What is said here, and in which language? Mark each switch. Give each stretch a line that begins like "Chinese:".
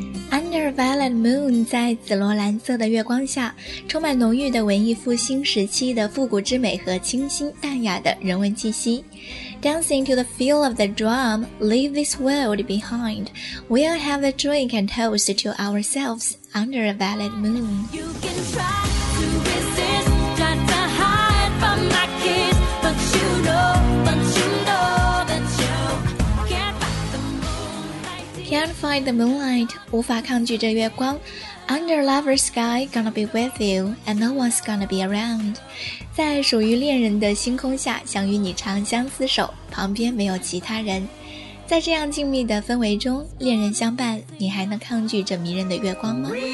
English: Under a violet moon，
Chinese: 在紫罗兰色的月光下，充满浓郁的文艺复兴时期的复古之美和清新淡雅的人文气息。
English: Dancing to the feel of the drum， Leave this world behind， We'll have a drink and toast to ourselves Under a violet moon。 You can try to resist，Can't find the moonlight，
Chinese: 无法抗拒这月光。
English: Under lover's sky， gonna be with you， and no one's gonna be around。
Chinese: 在属于恋人的星空下，想与你长相厮守，旁边没有其他人。在这样静谧的氛围中，恋人相伴，你还能抗拒这迷人的月光吗？